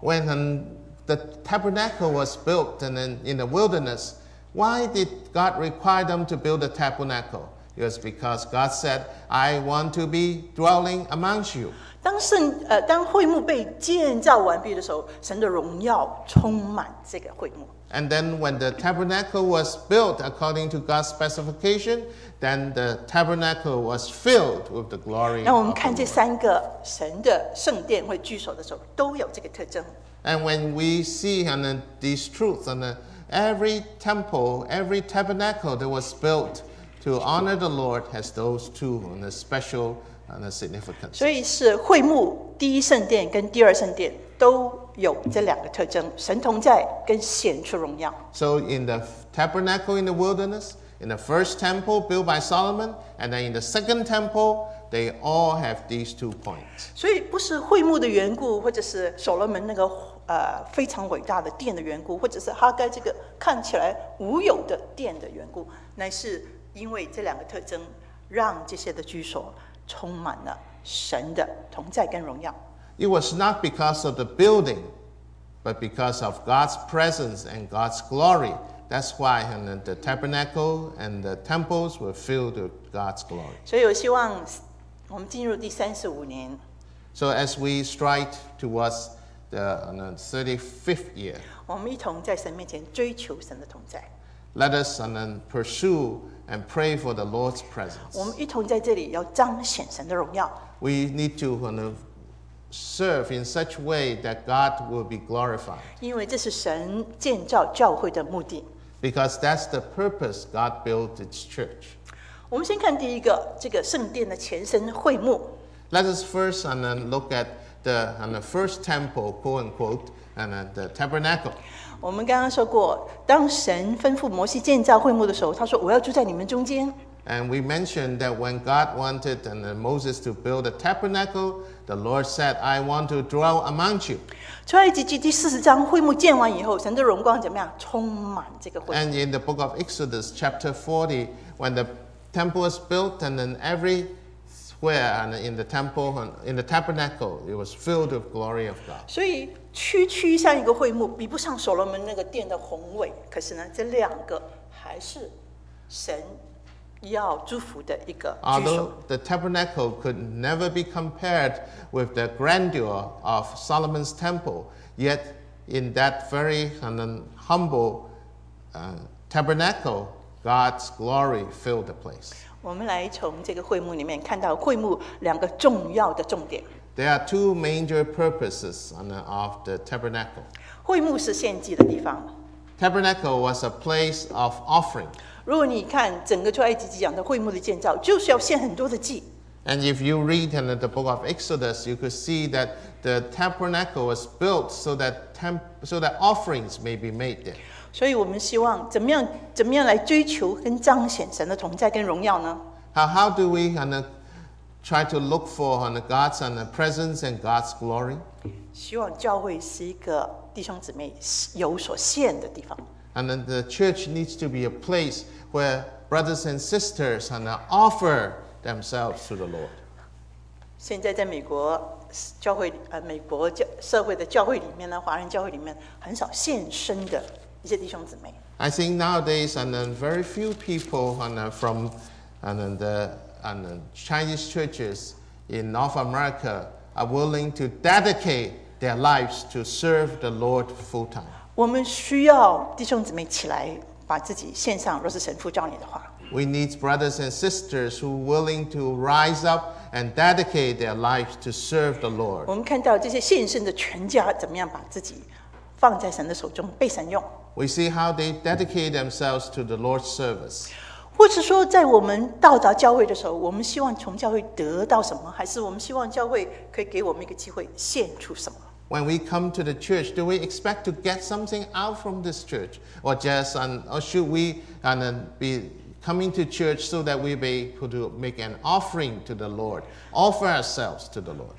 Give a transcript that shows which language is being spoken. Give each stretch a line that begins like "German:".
English: When the tabernacle was built and then in the wilderness, why did God require them to build a tabernacle? It was because God said, "I want to be dwelling amongst you."
Chinese: 当会幕被建造完毕的时候，神的荣耀充满这个会幕。
English: And then when the tabernacle was built according to God's specification, then the tabernacle was filled with the glory of God.
Chinese: 那我们看这三个神的圣殿会居所的时候都有这个特征。
English: And when we see these truths, every temple, every tabernacle that was built to honor the Lord has those two special significance.
Chinese: 所以是会幕第一圣殿跟第二圣殿都有这两个特征，神同在跟显出荣耀。
English: So in the tabernacle in the wilderness, in the first temple built by Solomon, and then in the second temple, they all have these two points.
Chinese: 所以不是会幕的缘故，或者是所罗门那个非常伟大的殿的缘故，或者是哈该这个看起来无有的殿的缘故，乃是因为这两个特征让这些的居所充满了神的同在跟荣耀。
English: It was not because of the building, but because of God's presence and God's glory. That's why the tabernacle and the temples were filled with God's glory.
Chinese: 所以我希望我们进入第35年。
English: So as we strive towards the 35th year,
Chinese: 我们一同在神面前追求神的同在。
English: Let us pursue and pray for the Lord's presence.
Chinese: 我们一同在这里要彰显神的荣耀。
English: We need to serve in such way that God will be glorified.
Chinese: 因为这是神建造教会的目的。
English: Because that's the purpose God built its church.
Chinese: 我们先看第一个，这个圣殿的前身会幕。
English: Let us first look at the first temple, quote unquote, the tabernacle.
Chinese: 我们刚刚说过，当神吩咐摩西建造会幕的时候，他说：“我要住在你们中间。”
English: And we mentioned that when God wanted Moses to build a tabernacle, the Lord said, "I want to dwell amongst you."
Chinese: 出埃及记第四十章，会幕建完以后，神的荣光怎么样？充满这个会幕。
English: And in the book of Exodus, chapter 40, when the temple was built, and then everywhere in the temple, in the tabernacle, it was filled with glory of God.
Chinese: 所以区区像一个会幕，比不上所罗门那个殿的宏伟。可是呢，这两个还是神要祝福的一个居所。
English: Although the tabernacle could never be compared with the grandeur of Solomon's temple, yet in that very humble tabernacle, God's glory filled the place.
Chinese: 我们来从这个会幕里面看到会幕两个重要的重点。
English: There are two major purposes of the tabernacle.
Chinese: 会幕是献祭的地方。
English: Tabernacle was a place of offering.
Chinese: 如果你看整个出埃及记讲的会幕的建造，就是要献很多的祭。
English: And if you read in the book of Exodus, you could see that the tabernacle was built so that offerings may be made there.
Chinese: 所以我们希望怎么样来追求跟彰显神的同在跟荣耀呢？
English: How do we try to look for God's presence and God's glory?
Chinese: 希望教会是一个弟兄姊妹有所献的地方。
English: And then the church needs to be a place where brothers and sisters offer themselves to the Lord.
Chinese: 现在在美国教会美国社会的教会里面呢，华人教会里面很少献身的一些弟兄姊妹。
English: I think nowadays very few people from the Chinese churches in North America are willing to dedicate their lives to serve the Lord full time.
Chinese: 我们需要弟兄姊妹起来把自己献上，若是神呼召你的话。
English: We need brothers and sisters who are willing to rise up and dedicate their lives to serve the Lord.
Chinese: 我们看到这些献身的全家怎么样把自己放在神的手中，被神用。
English: We see how they dedicate themselves to the Lord's service.
Chinese: 或是说在我们到达教会的时候，我们希望从教会得到什么，还是我们希望教会可以给我们一个机会献出什么？
English: When we come to the church, do we expect to get something out from this church? Or should we be coming to church so that we be able to make an offering to the Lord, offer ourselves to the Lord.